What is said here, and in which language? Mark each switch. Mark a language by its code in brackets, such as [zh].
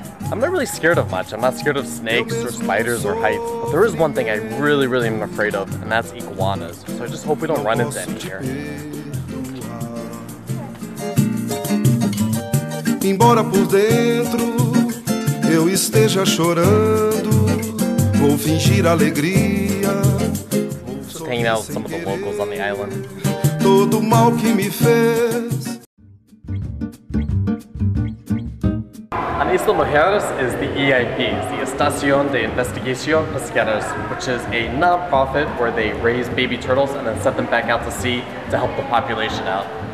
[en] I'm not really scared of much. I'm not scared of snakes or spiders or heights. But there is one thing I really, really am afraid of, and that's iguanas. So I just hope we don't run into any here. [pt] Embora por dentro eu esteja chorando, vou fingir alegria. [en] Just hanging out with some of the locals on the island. [pt] Todo mal que me fez. [en] On Isla Mujeres is the EIP, the Estación de Investigación Pesqueras, which is a non-profit where they raise baby turtles and then set them back out to sea to help the population out.